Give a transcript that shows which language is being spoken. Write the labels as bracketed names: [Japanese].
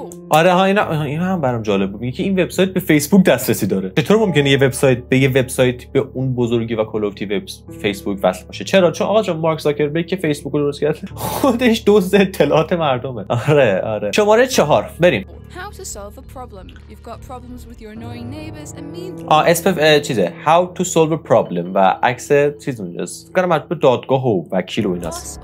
[Persian] آره ها اینا هم برام جالب بود، میگه که این وبسایت به فیسبوک دسترسی داره. چطور ممکنه یه وبسایت به یه وبسایت به اون بزرگی و کلوفتی فیسبوک وصل باشه؟ چرا؟ چون آقا جان مارک زاکربرگ که فیسبوک رو درست کرد خودش دزد اطلاعات مردمه. آره آره. شماره 4 بریم. [English] How to solve a problem. You've got problems with your annoying neighbors and mean. [Persian] چیزه. [English] How to solve a problem [Persian] و عکس چیز اونجاست. فکر کنم به دادگاه و وکیل و ایناست.